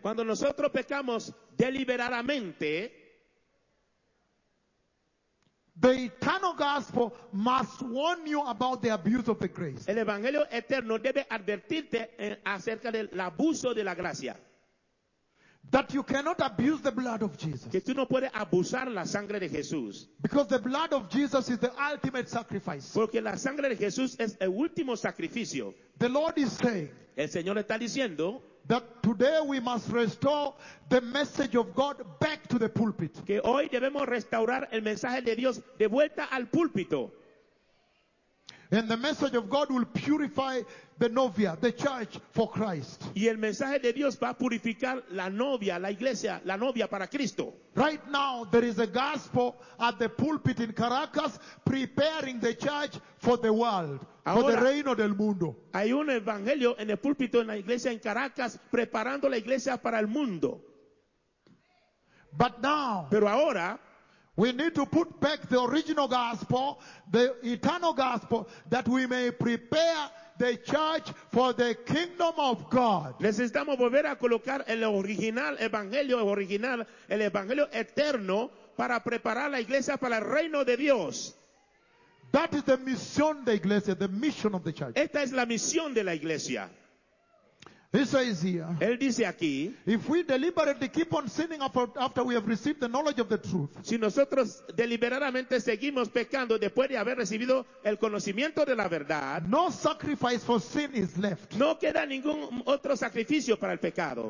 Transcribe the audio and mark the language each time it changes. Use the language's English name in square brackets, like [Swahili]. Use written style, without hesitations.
[Spanish] Cuando nosotros pecamos deliberadamente. [English] The eternal gospel must warn you about the abuse of the grace. [Spanish] El evangelio eterno debe advertirte acerca del abuso de la gracia. [English] That you cannot abuse the blood of Jesus. [Spanish] Que tú no puedes abusar la sangre de Jesús. [English] Because the blood of Jesus is the ultimate sacrifice. [Spanish] Porque la sangre de Jesús es el último sacrificio. [English] The Lord is saying. [Spanish] El Señor está diciendo. [English] That today we must restore the message of God back to the pulpit. [Spanish] Que hoy debemos restaurar el mensaje de Dios de vuelta al púlpito. [English] And the message of God will purify the novia, the church for Christ. [Spanish] Y el mensaje de Dios va a purificar la novia, la iglesia, la novia para Cristo. [English] Right now, there is a gospel at the pulpit in Caracas preparing the church for the world, [Spanish] ahora, for the reino del mundo. Hay un evangelio en el púlpito en la iglesia en Caracas preparando la iglesia para el mundo. [English] But now, [Spanish] pero ahora, [English] we need to put back the original gospel, the eternal gospel, that we may prepare the church for the kingdom of God. [Spanish] Necesitamos volver a colocar el original, el evangelio eterno, para preparar la iglesia para el reino de Dios. [English] That is the mission of the iglesia, the mission of the church. [Spanish] Esta es la misión de la iglesia. [English] He says here, [Spanish] él dice aquí, [English] if we deliberately keep on sinning after we have received the knowledge of the truth, [Spanish] si nosotros deliberadamente seguimos pecando después de haber recibido el conocimiento de la verdad, [English] no sacrifice for sin is left. [Spanish] No queda ningún otro sacrificio para el pecado.